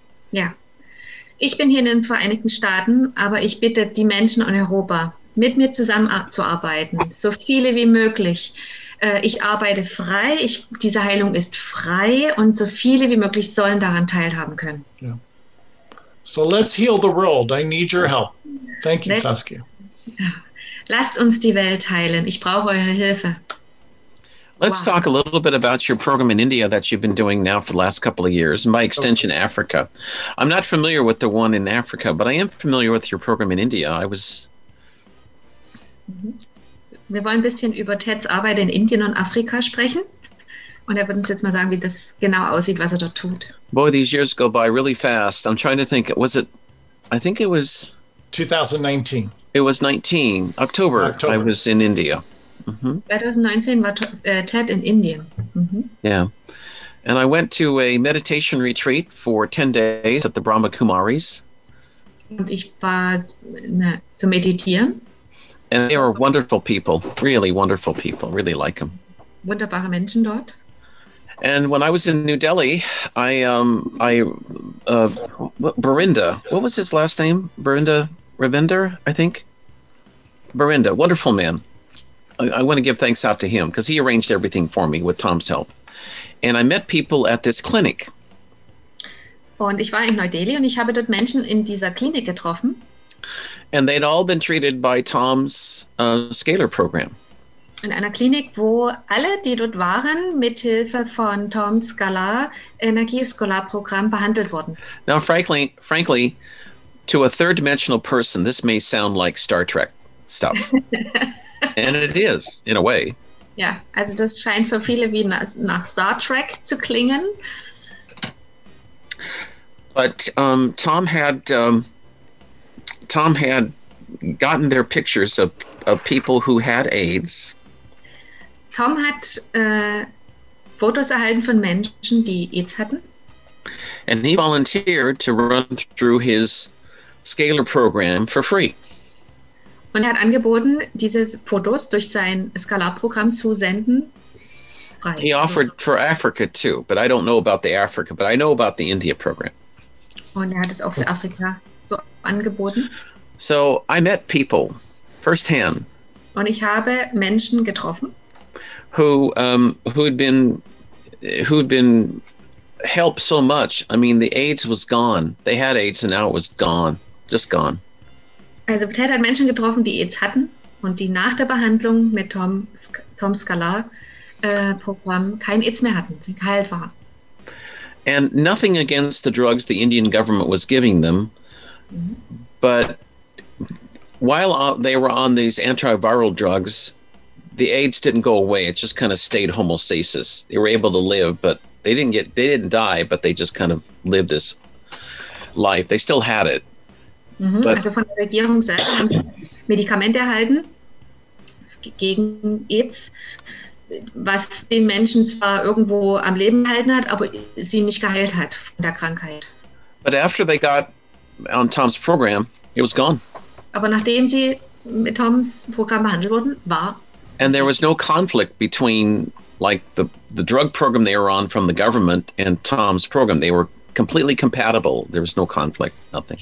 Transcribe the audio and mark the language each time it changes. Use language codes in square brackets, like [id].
[de] Ja, ich bin hier in den Vereinigten Staaten, aber ich bitte die Menschen in Europa, mit mir zusammenzuarbeiten, so viele wie möglich. Ich arbeite frei, diese Heilung ist frei und so viele wie möglich sollen daran teilhaben können. [en] Yeah. So let's heal the world. I need your help. Thank you, Saskia. [de] Lasst uns die Welt heilen. Ich brauche eure Hilfe. [en] Let's talk a little bit about your program in India that you've been doing now for the last couple of years, and by extension, Africa. I'm not familiar with the one in Africa, but I am familiar with your program in India. [de] Wir wollen ein bisschen über Teds Arbeit in Indien und Afrika sprechen. Und er wird uns jetzt mal sagen, wie das genau aussieht, was er dort tut. [en] Boy, these years go by really fast. I'm trying to think, was it, I think it was... 2019. It was 19, October, I was in India. [de] Mm-hmm. 2019 war Ted in Indien. [en] Mm-hmm. Yeah. And I went to a meditation retreat for 10 days at the Brahma Kumaris. [de] Und ich war zu meditieren. [en] And they are wonderful people, really wonderful people, really like them. [de] Wunderbare Menschen dort. [en] And when I was in New Delhi, Barinda, what was his last name? Barinda Ravinder, I think. Barinda, wonderful man. I want to give thanks out to him because he arranged everything for me with Tom's help. And I met people at this clinic. [de] Und ich war in New Delhi und ich habe dort Menschen in dieser Klinik getroffen. [en] And they'd all been treated by Tom's scalar program. [de] in einer Klinik, wo alle, die dort waren, mithilfe von Tom Scholar Energieskolarprogramm behandelt wurden. [en] Now, frankly, to a third-dimensional person, this may sound like Star Trek stuff. And it is, in a way. [de] Ja, also das scheint für viele wie nach Star Trek zu klingen. [en] But Tom had gotten their pictures of people who had AIDS. [de] Tom hat Fotos erhalten von Menschen, die AIDS hatten. [en] And he volunteered to run through his Scalar program for free. [de] Und er hat angeboten, diese Fotos durch sein Scalar-Programm zu senden. [en] He offered for Africa too, but I don't know about the Africa, but I know about the India program. [de] Und er hat es auch für Afrika so angeboten. [en] So I met people firsthand. [de] Und ich habe Menschen getroffen, [en] who had been helped so much. I mean, the AIDS was gone. They had AIDS and now it was gone. Just gone. [de] Also Ted hat Menschen getroffen, die AIDS hatten und die nach der Behandlung mit Tom Scholar Programm kein AIDS mehr hatten, sie geheilt waren. [en] And nothing against the drugs the Indian government was giving them, but while they were on these antiviral drugs, the AIDS didn't go away. It just kind of stayed homeostasis. They were able to live, but they didn't die, but they just kind of lived this life. They still had it. Mhm. [de] Also von der Regierung selbst haben sie Medikamente erhalten gegen AIDS, was den Menschen zwar irgendwo am Leben gehalten hat, aber sie nicht geheilt hat von der Krankheit. [en] But after they got on Tom's program, it was gone. [de] Aber nachdem sie mit Toms Programm behandelt wurden, war. [en] And there was no conflict between like the drug program they were on from the government and Tom's program. They were completely compatible. There was no conflict, nothing.